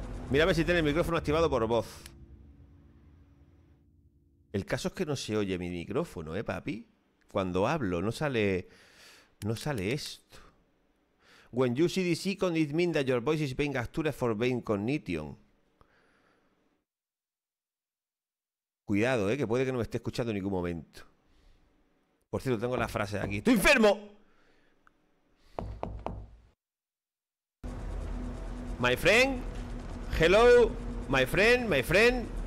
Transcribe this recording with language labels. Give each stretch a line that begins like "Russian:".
Spanish: Mira a ver si tiene el micrófono activado por voz. El caso es que no se oye mi micrófono, ¿eh, papi? Cuando hablo, no sale esto.
English: When you see this icon, it means that your voice is being captured for being cognition.
Spanish: Cuidado, que puede que no me esté escuchando en ningún momento. Por cierto, tengo la frase aquí. ¡Estoy enfermo!
English: My friend. Hello, my friend, my friend.